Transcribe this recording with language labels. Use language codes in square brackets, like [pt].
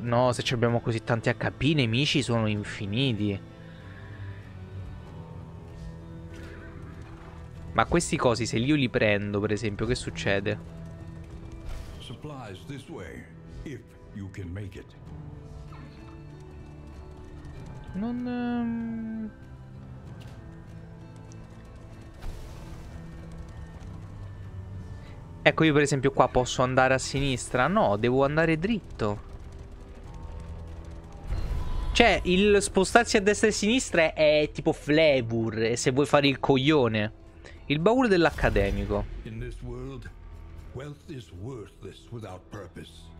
[it] No, se ci abbiamo così tanti HP, i nemici sono infiniti. Ma questi cosi, se io li prendo, per esempio, che succede? [en] Supplies this way, if you can make it. [it] Non... Ecco, io per esempio qua posso andare a sinistra? No, devo andare dritto. Cioè, il spostarsi a destra e a sinistra è tipo flavor, e se vuoi fare il coglione. Il baule dell'accademico. [en] In this world, wealth is worthless without purpose.